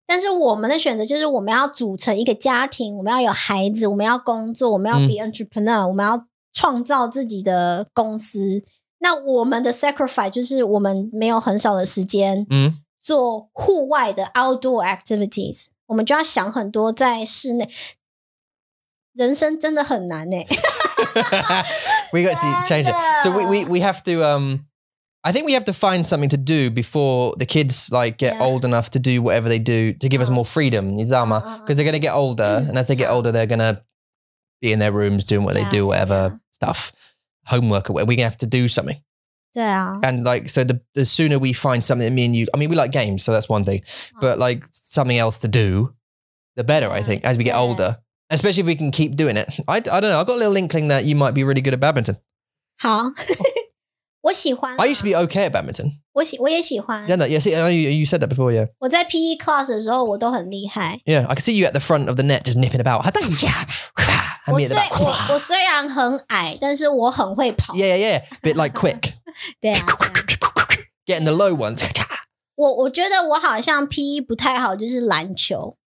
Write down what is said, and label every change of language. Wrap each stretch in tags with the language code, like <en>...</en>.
<zh>但是我们的选择就是我们要组成一个家庭，我们要有孩子，我们要工作，我们要</zh> <en>be entrepreneur，</en> <zh>我们要创造自己的公司。那我们的 sacrifice 就是我们没有很少的时间做户外的</zh> <en>outdoor activities、嗯、</en> <zh>我们就要想很多在室内人生真的很难耶</zh> <en>We got to change it So we have to I think we have to find something to do before the kids like get yeah. old enough to do whatever they do to give us more freedom, Nizama, because they're going to get older. And as they get older, they're going to be in their rooms doing what they do, whatever stuff, homework, or whatever. We're going to have to do something. Yeah. And like, so the sooner we find something that me and you, I mean, we like games, so that's one thing, but like something else to do, the better, I think, as we get older, especially if we can keep doing it. I don't know. I've got a little inkling that you might be really good at badminton.</en> <zh>Huh? 我喜欢啊,</zh> <en>I used to be okay at badminton.</en> <zh>我也喜欢。真的,</zh> <en>yeah, see, I know you said that before, yeah.</en> <zh>我在PE class的时候我都很厉害。</zh> <en>Yeah, I can see you at the front of the net just nipping about. I thought, yeah.</en> <zh>我虽然很矮, 但是我很会跑。</zh> <en>Yeah, yeah, yeah. Bit like quick.</en> <zh>对啊。</zh> <en>Getting the low ones.</en> <zh>我觉得我好像PE不太好, 就是篮球。</zh>